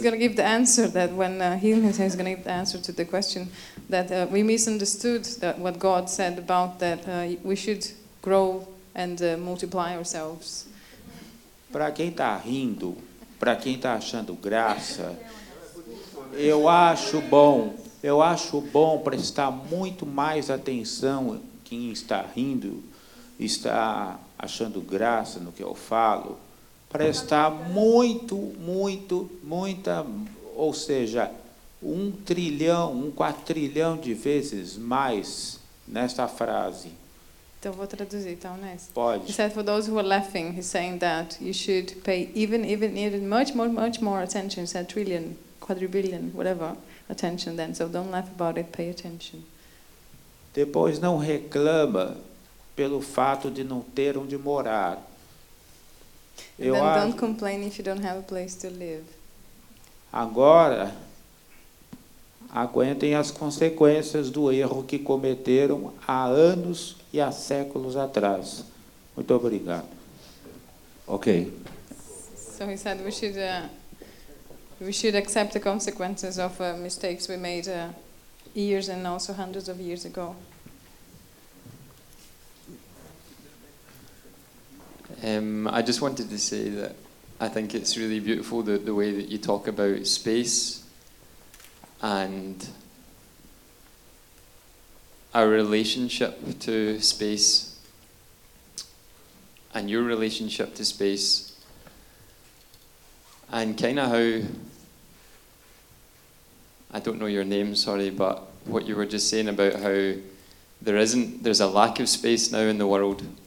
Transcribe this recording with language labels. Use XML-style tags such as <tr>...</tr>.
<en>going to give the answer that when he's going to give the answer to the question that we misunderstood that what God said about that we should grow and multiply ourselves.</en> <pt>Para quem está rindo, para quem está achando graça, eu acho bom prestar muito mais atenção quem está rindo, está achando graça no que eu falo. Prestar muito, muito, muita, ou seja, 1 trilhão, 1 quadrilhão de vezes mais nesta frase. Então vou traduzir, então, né? Pode.</pt> <en>He said, for those who are laughing, he's saying that you should pay even much more attention. He said trillion, quadrillion, whatever, attention then. So don't laugh about it, pay attention.</en> <pt>Depois não reclama pelo fato de não ter onde morar.</pt> <en>Don't complain if you don't have a place to live.</en> <pt>Agora, aguentem as consequências do erro que cometeram há anos e há séculos atrás. Muito obrigado.</pt> <en>Ok. So he said we should accept the consequences of mistakes we made years and also hundreds of years ago. I just wanted to say that I think it's really beautiful the way that you talk about space and our relationship to space and your relationship to space and kind of how, I don't know your name, sorry, but what you were just saying about how there's a lack of space now in the world.</en>